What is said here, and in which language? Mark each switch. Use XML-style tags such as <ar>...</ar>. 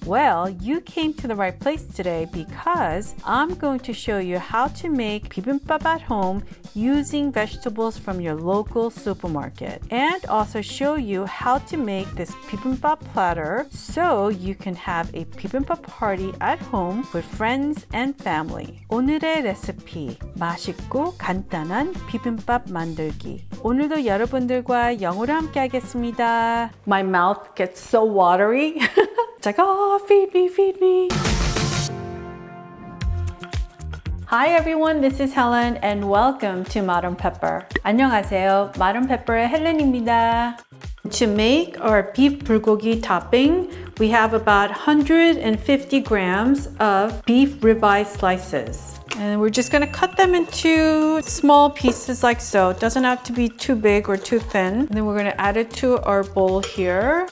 <en>Well, you came to the right place today because I'm going to show you how to make bibimbap at home using vegetables from your local supermarket, and also show you how to make this bibimbap platter so you can have a bibimbap party at home with friends and family.</en> <ko>오늘의 레시피, 맛있고 간단한 비빔밥 만들기. 오늘도 여러분들과 영어로 함께 하겠습니다.</ko> <en>My mouth gets so watery. It's like, oh, feed me, feed me. Hi everyone, this is Helen and welcome to Modern Pepper.</en> <ko>안녕하세요, Modern Pepper의 헬렌입니다.</ko> <en>To make our beef bulgogi topping, we have about 150 grams of beef ribeye slices. And we're just going to cut them into small pieces like so. It doesn't have to be too big or too thin. And then we're going to add it to our bowl here.</en>